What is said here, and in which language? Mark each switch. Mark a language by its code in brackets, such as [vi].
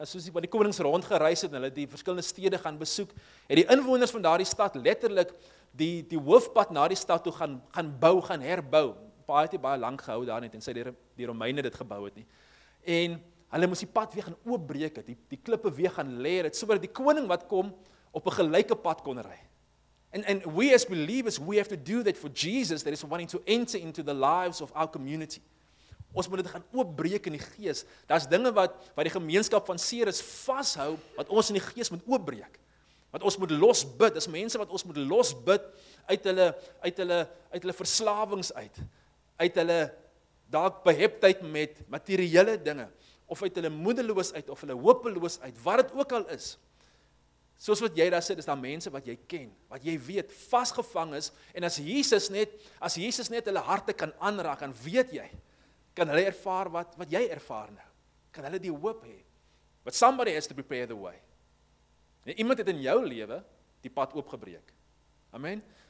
[af] En soos die konings rondgereis het en hulle die verskillende stede gaan besoek, het die inwoners van daardie stad letterlik die hoofpad na die stad toe gaan bou, gaan herbou. Baie het baie lank gehou daar net en sê die Romeine dit gebou het nie. En hulle moes die pad weer gaan oopbreek, die klippe weer gaan lê, dit sodat die koning wat kom op 'n gelyke pad kon ry. [en] And we as believers, we have to do that for Jesus that is wanting to enter into the lives of our community. [af] Ons moet dit gaan oopbreek in die gees. Daar's dinge wat die gemeenskap van Ceres vashou, wat ons in die gees moet oopbreek. Wat ons moet losbid, dis mense wat ons moet losbid uit hulle verslawings uit. Uit hulle dalk beheptheid met materiële dinge. Of uit hulle moedeloos uit, of hulle hopeloos uit, wat het ook al is. Soos wat jy daar sit, is daar mense wat jy ken, wat jy weet, vasgevang is, en as Jesus net hulle harte kan aanraak, dan weet jy, kan hulle ervaar wat jy ervaar nou. Kan hulle die hoop hê. [en] But somebody has to prepare the way. [af] En iemand het in jou lewe die pad oopgebreek. Amen.